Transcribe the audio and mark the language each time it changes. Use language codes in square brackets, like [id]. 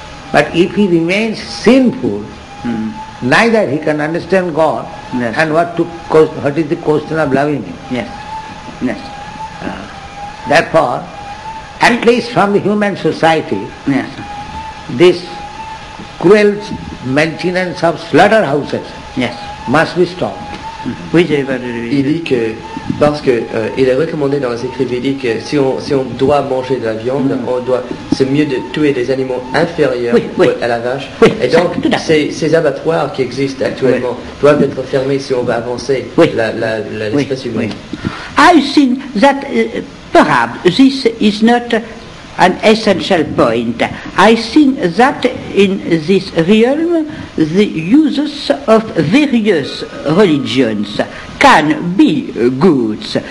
[en] But if he remains sinful, neither he can understand God, and what is the question of loving Him. Yes. Therefore, at least from the human society, this cruel maintenance of slaughterhouses must be stopped. [fr] Oui, il dit que parce que il est recommandé dans les écrits védiques que si on doit manger de la viande, on doit c'est mieux de tuer des animaux inférieurs à la vache. Oui, et donc ces abattoirs qui existent actuellement doivent être fermés si on veut avancer l'espèce humaine. Oui. [en] I think that perhaps this is not an essential point. I think that in this realm the uses of various religions can be good.